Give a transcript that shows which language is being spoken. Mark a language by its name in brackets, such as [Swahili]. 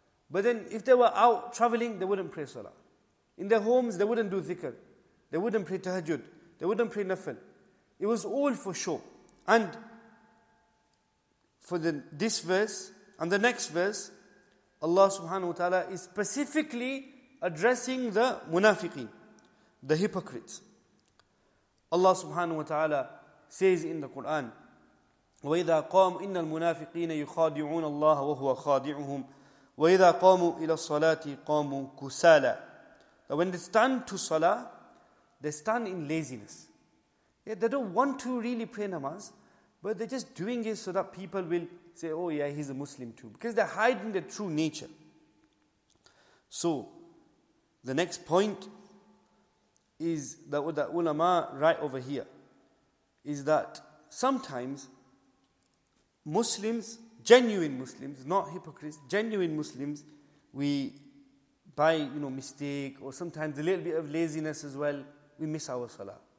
[English] But then if they were out traveling, they wouldn't pray salah. In their homes, they wouldn't do zikr. They wouldn't pray tahajjud. They wouldn't pray nafil. It was all for show. And for this verse and the next verse, Allah subhanahu wa ta'ala is specifically addressing the munafiqeen, the hypocrites. Allah subhanahu wa ta'ala says in the Quran, [Arabic] وَإِذَا قَامُ إِنَّ الْمُنَافِقِينَ يُخَادِعُونَ اللَّهَ وَهُوَ خَادِعُهُمْ وَإِذَا قَامُوا إِلَى الصَّلَاةِ قَامُوا كُسَالَى. [English] That when they stand to salah, they stand in laziness. Yeah, they don't want to really pray namaz, but they're just doing it so that people will say, oh yeah, he's a Muslim too. Because they're hiding their true nature. So, the next point is that what the ulama write over here is that sometimes Muslims, genuine Muslims, not hypocrites, genuine Muslims, we by mistake or sometimes a little bit of laziness as well, we miss our salah.